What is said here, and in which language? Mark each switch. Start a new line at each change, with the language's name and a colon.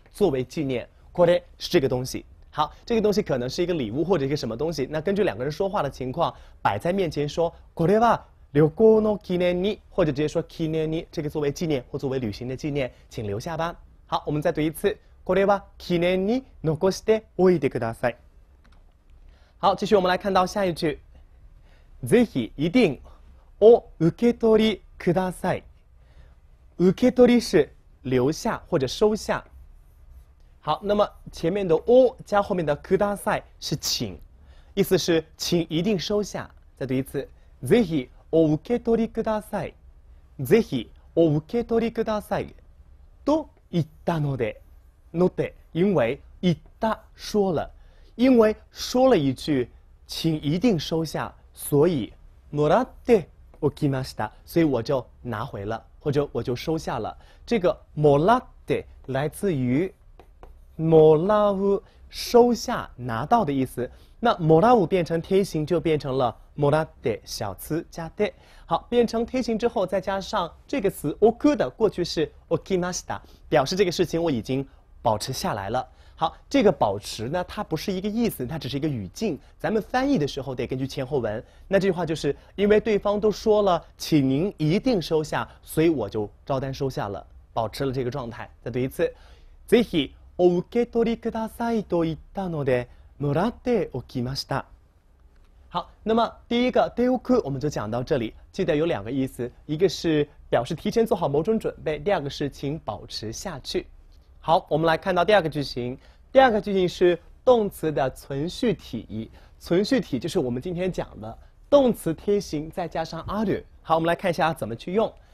Chinese: 作为纪念，これ是这个东西。好，这个东西可能是一个礼物或者一个什么东西，那根据两个人说话的情况摆在面前说，
Japanese: これは旅行の記念に，
Chinese: 或者直接说記念に，这个作为纪念或作为旅行的纪念，请留下吧。好，我们再读一次。
Japanese: これは記念に残しておいてください。
Chinese: 好、继续我们来看到下一句。
Japanese: ぜひ一定を受け取りください。
Chinese: 受け取り是留下或者收下。好，那么前面的を加后面的ください是请，意思是请一定收下。再读一次，
Japanese: ぜひを受け取りください。ぜひを受け取りください。と言ったので、
Chinese: ので因为言った说了。因为说了一句请一定收下所以
Japanese: もらっておきました
Chinese: 所以我就拿回了或者我就收下了这个もらって来自于
Japanese: もらう
Chinese: 收下拿到的意思那もらう变成贴形就变成了もらって小词加て好变成贴形之后再加上这个词おく的过去式おきました表示这个事情我已经保持下来了好这个保持呢它不是一个意思它只是一个语境咱们翻译的时候得根据前后文那这句话就是因为对方都说了请您一定收下所以我就照单收下了保持了这个状态再读一次
Japanese: ぜひお受け取りくださいと言ったのでもらっておきました
Chinese: 好那么第一个でおく我们就讲到这里记得有两个意思一个是表示提前做好某种准备第二个是请保持下去好我们来看到第二个句型第二个句型是动词的存续体存续体就是我们今天讲的动词贴形再加上ある好我们来看一下怎么去用